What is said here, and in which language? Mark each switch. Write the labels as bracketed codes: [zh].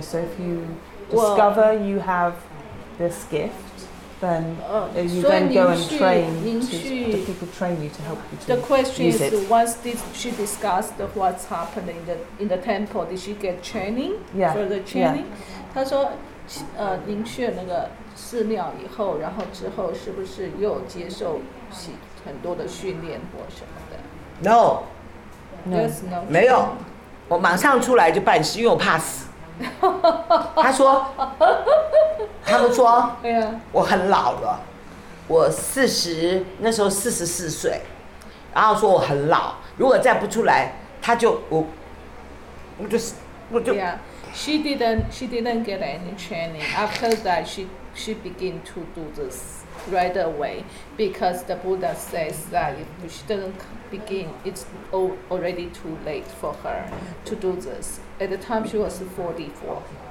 [en] So if you discover you have this gift, then you then go and train to people train you to help you to use it. The question is, once did she discuss what's happening in the temple, did she get training? Yeah. For the training? Yeah. [zh] 她说，您去那个寺庙以后，然后之后是不是又接受很多的训练或什么的？ [en] No. Yes, no. [zh] 没有，我马上出来就办事，因为我怕死。他们说我很老了，我四十那时候44岁，然后说我很老，如果再不出来他就我就 [en] she didn't get any training after that she begin to do this right away because the Buddha says that if she doesn't begin it's already too late for her to do this at the time she was 44.